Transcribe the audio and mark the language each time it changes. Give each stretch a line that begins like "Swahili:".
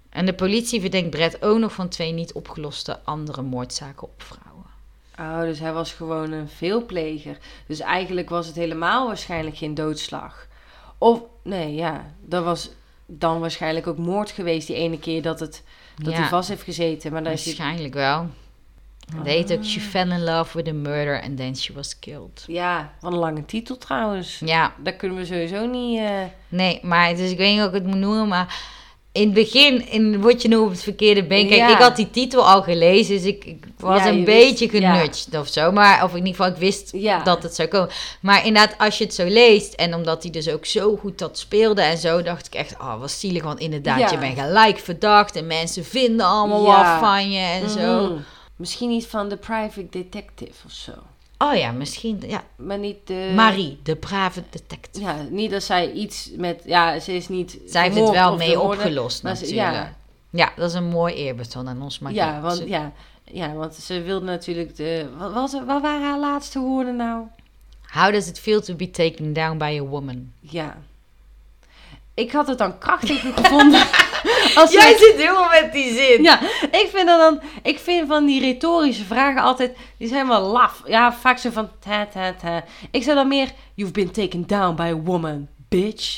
Dutch: En de politie verdenkt Brett ook nog van 2 niet opgeloste andere moordzaken op vrouwen. Oh, dus hij was gewoon een veelpleger. Dus eigenlijk was het helemaal waarschijnlijk geen doodslag. Of, nee, ja. Dat was dan waarschijnlijk ook moord geweest die ene keer dat hij vast heeft gezeten. Maar waarschijnlijk wel.
English: They took she fell in love with a murder and then she was killed.
Dutch: Ja, wat een lange titel trouwens. Ja. Dat kunnen we sowieso niet... Nee, maar dus ik weet niet hoe ik het moet noemen, maar... In het begin word je nu op het verkeerde been. Kijk, ik had die titel al gelezen, dus ik was een beetje genudged of zo. Maar of in ieder geval, ik wist dat het zou komen. Maar inderdaad, als je het zo leest, en omdat hij dus ook zo goed dat speelde en zo, dacht ik echt, oh, wat zielig. Want inderdaad, je bent gelijk verdacht en mensen vinden allemaal wat van je en zo. Misschien iets van de private detective of zo. Oh ja, misschien. Ja. Maar niet de... Marie, de private detective. Ja, niet dat zij iets met... Ja, ze is niet... Zij heeft het wel mee opgelost natuurlijk. Ja, dat is een mooi eerbetoon aan ons Marie. Want ze wilde natuurlijk de... Wat waren haar laatste woorden nou?
English: How does it feel to be taken down by a woman?
Dutch: Ja. Ik had het dan krachtiger gevonden... Jij zit helemaal met die zin. Ja, ik vind van die retorische vragen altijd, die zijn wel laf. Ja, vaak zo van, Ik zei dan meer,
English: you've been taken down by a woman, bitch.